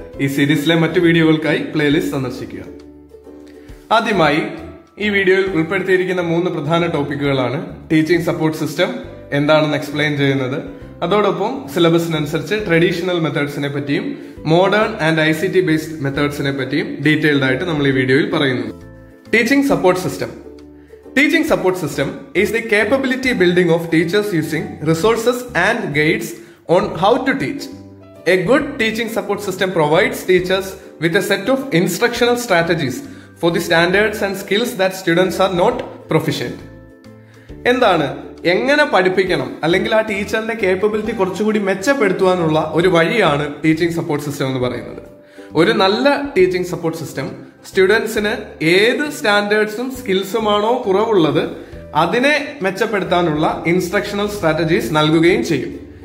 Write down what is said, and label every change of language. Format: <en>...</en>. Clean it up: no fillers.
<ml>ഈ സീരീസിലെ മറ്റു വീഡിയോകൾക്കായി പ്ലേലിസ്റ്റ് സന്ദർശിക്കുക. ആദ്യമായി ഈ വീഡിയോയിൽ ഉൾപ്പെടുത്തിയിരിക്കുന്ന മൂന്ന് പ്രധാന ടോപ്പിക്കുകളാണ് ടീച്ചിങ് സപ്പോർട്ട് സിസ്റ്റം എന്താണെന്ന് എക്സ്പ്ലെയിൻ ചെയ്യുന്നത്. അതോടൊപ്പം സിലബസിനനുസരിച്ച് ട്രഡീഷണൽ മെത്തേഡ്സിനെ പറ്റിയും modern and I C T based മെത്തേഡ്സിനെ പറ്റിയും ഡീറ്റെയിൽഡ് ആയിട്ട് നമ്മൾ ഈ വീഡിയോയിൽ പറയുന്നു. Teaching support system.</ml> <en>Teaching support system is the capability building of teachers using resources and guides on how to teach. A good teaching support system provides teachers with a set of instructional strategies for the standards and skills that students are not proficient.</en> <ml>എന്താണ് എങ്ങനെ പഠിപ്പിക്കണം അല്ലെങ്കിൽ ആ ടീച്ചറിന്റെ capability കുറച്ചുകൂടി മെച്ചപ്പെടുത്തുവാനുള്ള ഒരു വഴിയാണ് teaching support system എന്ന് പറയുന്നത്. ഒരു നല്ല ടീച്ചിങ് സപ്പോർട്ട് സിസ്റ്റം സ്റ്റുഡൻസിന് ഏത് സ്റ്റാൻഡേർഡ്സും സ്കിൽസുമാണോ കുറവുള്ളത് അതിനെ മെച്ചപ്പെടുത്താനുള്ള ഇൻസ്ട്രക്ഷണൽ സ്ട്രാറ്റജീസ് നൽകുകയും ചെയ്യും.</ml>